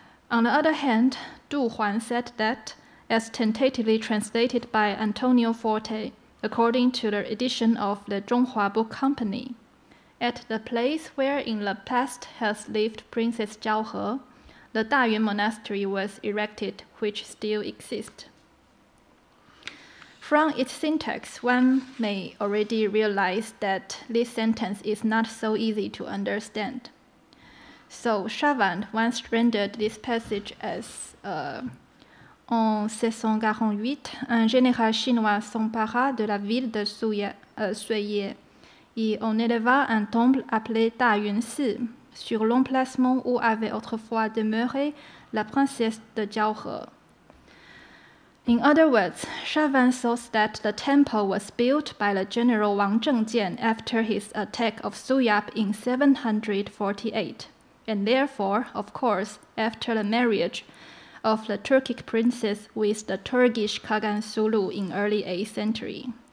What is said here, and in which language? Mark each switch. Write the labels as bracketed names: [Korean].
[English] On the other hand, Du Huan said that, as tentatively translated by Antonio Forte, according to the edition of the Zhonghua Book Company, at the place where in the past has lived Princess Zhaohe, the Dayun Monastery was erected, which still exists. From its syntax, one may already realize that this sentence is not so easy to understand. So Chavan once rendered this passage as [French] En 1648, un général chinois s'empara de la ville de Suiye. Et on éleva un temple appelé Dayun Si sur l'emplacement où avait autrefois demeuré la princesse de Zhaohe. [English] In other words, Chavan thought that the temple was built by the general Wang Zhengjian after his attack of Suyap in 748, and therefore, of course, after the marriage of the Turkic princess with the Turkish Kagan Sulu in early 8th century.